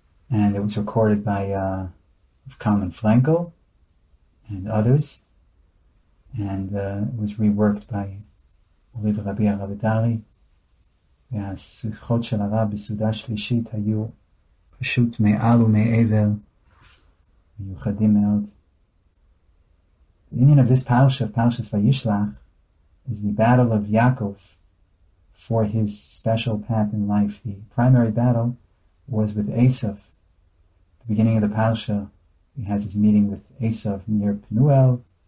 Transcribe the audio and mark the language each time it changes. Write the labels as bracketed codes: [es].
[en] And it was recorded by Kalman Frankel and others. And it was reworked by Oliver Rabbi Aravidari. [he] והשיחות של הרב בסעודה שלישית היו פשוט מעל ומעבר, מיוחדים מאוד. [en] The meaning of this parasha, Parashas Vayishlach, is the battle of Yaakov for his special path in life. The primary battle was with Esav. The beginning of the parasha, he has his meeting with Esav near Penuel.